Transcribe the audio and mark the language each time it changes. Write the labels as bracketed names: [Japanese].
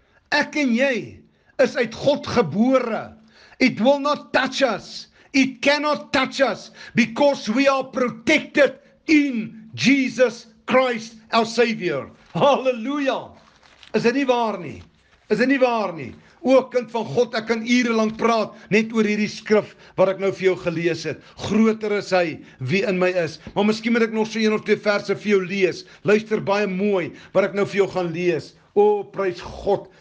[Afrikaans] Ek en jy is uit God gebore. [English] It will not touch us. It cannot touch us because we are protected in Jesus Christ our Savior. [Afrikaans] Halleluja. Is dit nie waar nie? Is dit nie waar nie? O, kind van God, ek kan ure lang praat net oor hierdie skrif wat ek nou vir jou gelees het. Groter is hy wie in my is. Maar miskien moet ek nog so 1 of 2 verse vir jou lees. Luister baie mooi wat ek nou vir jou gaan lees. O, prys God.